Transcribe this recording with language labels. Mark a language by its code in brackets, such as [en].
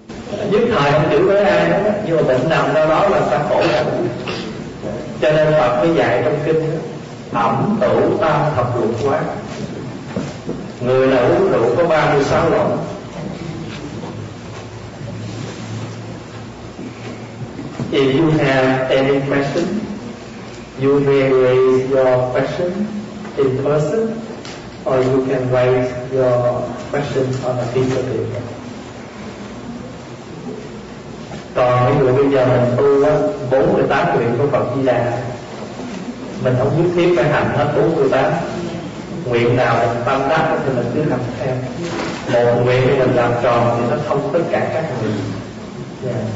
[vi] Nhất thời không chửi với ai đó, nhưng mà bệnh nằm ra đó là ta khổ lắm. Cho nên Phật mới dạy trong kinh: ẩm tử tam thập lục quán. Người nào uống rượu có 36 lần. [en] If you have any question, you may raise your question in person, or you can write your question on a piece of paper. [vi] Còn ví dụ bây giờ mình tu 48 nguyện của Phật Di Đà, mình không nhất thiết phải hành hết 48 nguyện nào mình tâm đắc thì mình cứ hành theo. Một nguyện thì mình làm tròn thì nó thông tất cả các nguyện.